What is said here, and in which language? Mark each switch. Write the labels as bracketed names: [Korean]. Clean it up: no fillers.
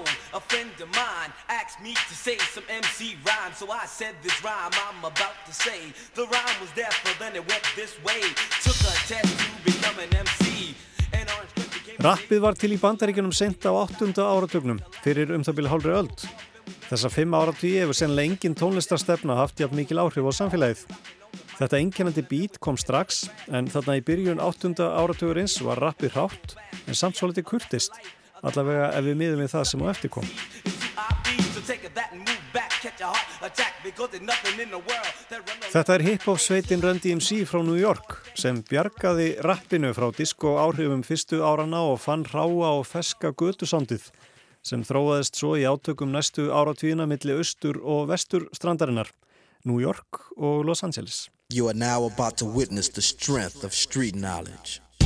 [English] A friend of mine asked me to say some MC rhyme So I said this rhyme I'm about to say The rhyme was there, but then it went this way Took a test to become an MC [Icelandic] Rappið var til í Bandaríkjunum seint á 8. áratugnum fyrir það bil hálfri öld. Þessa 5 áratugi hefur sen lengin tónlistarstefna haft jafn mikil áhrif á samfélagið. Þetta einkennandi beat kom strax en þarna í byrjun 8. áratugurins var rappið hrátt en samt svolítið kurtist. Allavega ef við miðum við það sem á eftir kom. Þetta hip-hop sveitin Run DMC frá New York sem bjargaði rappinu frá disco áhrifum fyrstu áranna og fann hráa og feska götusándið sem þróaðist svo í átökum næstu áratugina milli austur og vestur strandarinnar, New York og Los Angeles. [English] You are now about to witness the strength of street knowledge.